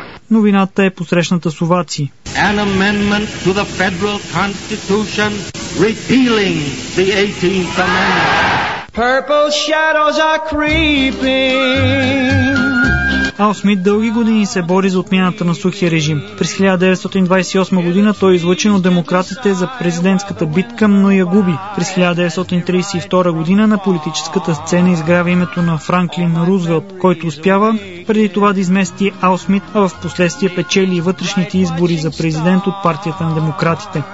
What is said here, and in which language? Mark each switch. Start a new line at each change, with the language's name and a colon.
Bulgarian: Новината е посрещната с овации.
English: An amendment to the federal constitution repealing the 18th amendment. Purple shadows are creeping.
Bulgarian: Ал Смит дълги години се бори за отмяната на сухия режим. През 1928 година той е излъчен от демократите за президентската битка, но я губи. През 1932 година на политическата сцена изгрява името на Франклин Рузвелт, който успява преди това да измести Ал Смит, а в последствие печели и вътрешните избори за президент от партията на демократите.